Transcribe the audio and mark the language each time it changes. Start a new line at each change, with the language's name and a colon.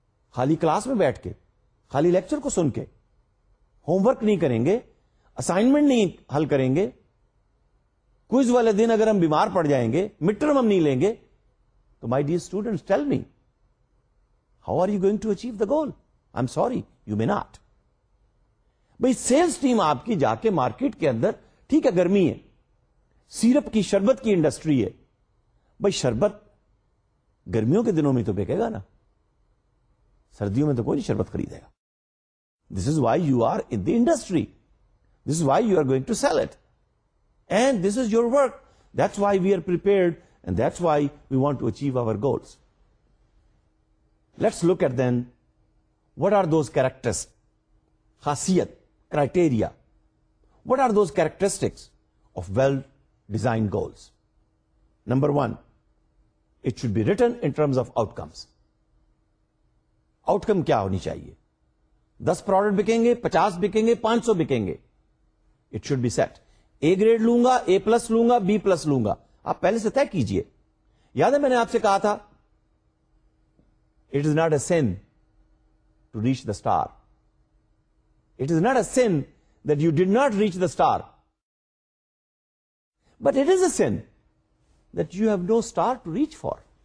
Urdu: Khali class mein baith ke, khali lecture ko sun ke, home work نہیں کریں گے، assignment نہیں حل کریں گے، کوئز والے دن اگر ہم بیمار پڑ جائیں گے، مڈ ٹرم ہم نہیں لیں گے، تو
English: My dear students tell me how are you going to achieve the goal? I am sorry, you may not.
Urdu: بھائی سیلس ٹیم آپ کی جا کے مارکیٹ کے اندر، ٹھیک ہے گرمی ہے، سیرپ کی شربت کی انڈسٹری ہے، بھائی شربت گرمیوں کے دنوں میں تو بکے گا نا، سردیوں میں تو کوئی نہیں شربت خریدے گا.
English: This is why you are in the industry. This is why you are going to sell it. And this is your work. That's why we are prepared and that's why we want to achieve our goals. Let's look at then what are those characteristics, khasiyat, criteria. What are those characteristics of well-designed goals? Number one, it should be written in terms of outcomes.
Urdu: Outcome kya honi chahiye? 10 product بکیں گے، 50 بکیں گے، 500 بکیں گے،
English: It should be set.
Urdu: A grade لوں گا، اے plus لوں گا، be plus لوں گا، آپ پہلے سے طے کیجئے. یاد ہے میں نے آپ سے کہا تھا
English: It is not a sin to reach the star, it is not a sin that you did not reach the star, but it is a sin that you have no star to reach for.